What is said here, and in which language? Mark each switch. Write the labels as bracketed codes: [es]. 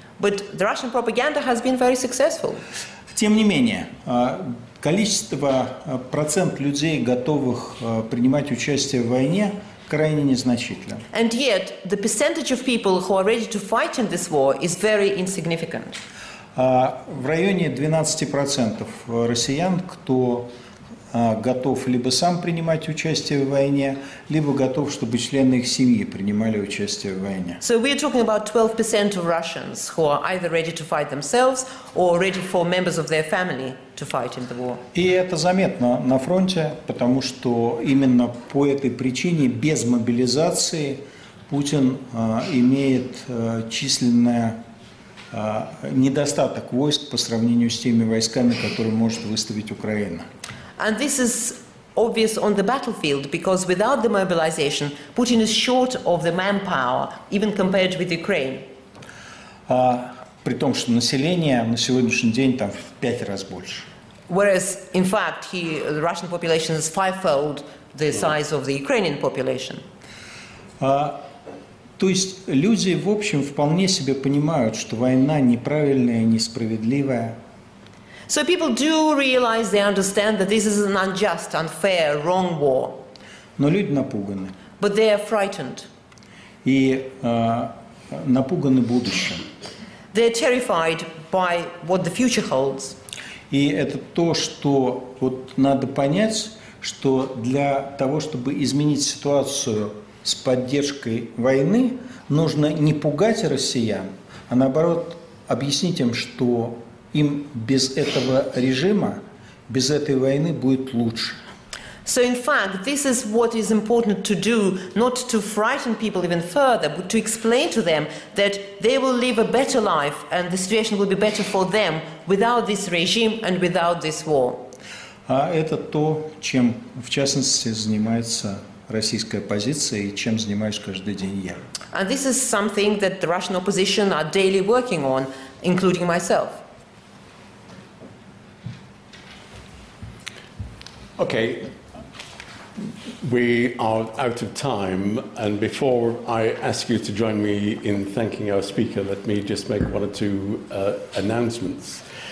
[en] But the Russian propaganda has been very successful. [ru] Тем не менее, количество процент людей, готовых принимать участие в войне, крайне незначительно. [en] And yet, the percentage of people who are ready to fight in this war is very insignificant. [ru] В районе 12% россиян, кто готов либо сам принимать участие в войне, либо готов, чтобы члены их семьи принимали участие в войне. [en] So we are talking about 12% of Russians who are either ready to fight themselves or ready for members of their family to fight in the war. [ru] И это заметно на фронте, потому что именно по этой причине без мобилизации Путин имеет численное недостаток войск по сравнению с теми войсками, которые может выставить Украина. [en] And this is obvious on the battlefield because without the mobilization, Putin is short of the manpower, even compared with Ukraine. [ru] При том, что население на сегодняшний день там в пять раз больше. [en] Whereas, in fact, the Russian population is fivefold the size of the Ukrainian population. [ru] То есть люди, в общем, вполне себе понимают, что война неправильная, несправедливая. [en] So people do realize, they understand that this is an unjust, unfair, wrong war. [ru] Но люди напуганы. [en] But they are frightened. [ru] И напуганы будущим. [en] They are terrified by what the future holds. [ru] И это то, что вот надо понять, что для того, чтобы изменить ситуацию с поддержкой войны, нужно не пугать россиян, а наоборот объяснить им, что им без этого режима, без этой войны будет лучше. [en] So in fact, this is what is important to do, not to frighten people even further, but to explain to them that they will live a better life and the situation will be better for them without this regime and without this war. [ru] А это то, чем в частности занимается российская оппозиция и чем занимаюсь каждый день я. [en] And this is something that the Russian opposition are daily working on, including myself. Okay, we are out of time, and before I ask you to join me in thanking our speaker, let me just make one or two announcements.